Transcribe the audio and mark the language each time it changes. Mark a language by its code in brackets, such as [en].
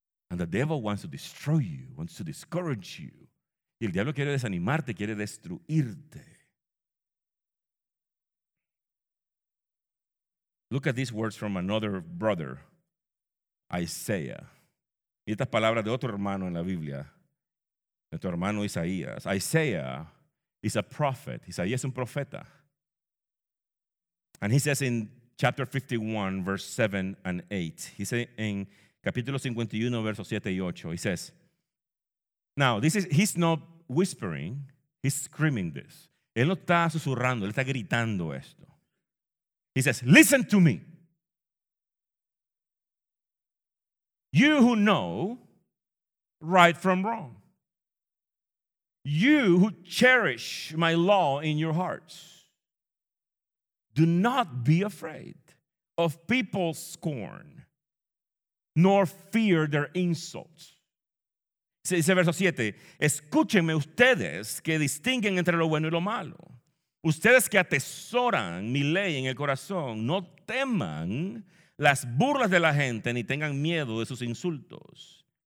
[en] And the devil wants to destroy you, wants to discourage you. [es] Y el diablo quiere desanimarte, quiere destruirte. [en] Look at these words from another brother, Isaiah. [es] Y estas palabras de otro hermano en la Biblia, de tu hermano Isaías. [en] Isaiah is a prophet. [es] Isaías es un profeta. [en] And he says in chapter 51, verse 7 and 8. He says in [es] capítulo 51, versos 7 y 8, [en] he says, Now, this is, he's not whispering, he's screaming this. [es] Él no está susurrando, él está gritando esto. [en] He says, listen to me. You who know right from wrong. You who cherish my law in your hearts. Do not be afraid of people's scorn, nor fear their insults. [es] Dice verso 7, escúchenme ustedes que distinguen entre lo bueno y lo malo. Ustedes que atesoran mi ley en el corazón, no teman las burlas de la gente ni tengan miedo de sus insultos.